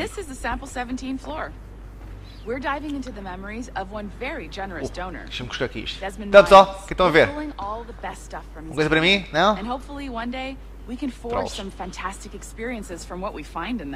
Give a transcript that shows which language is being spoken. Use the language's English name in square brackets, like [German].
[English] This is the sample 17 floor. We're diving into the memories of one very generous donor. [Portuguese] Deixa-me buscar aqui isto. Então, pessoal, que estão a ver? Uma coisa para mim? Não? [English] And hopefully one day we can forge some fantastic experiences from what we find in there.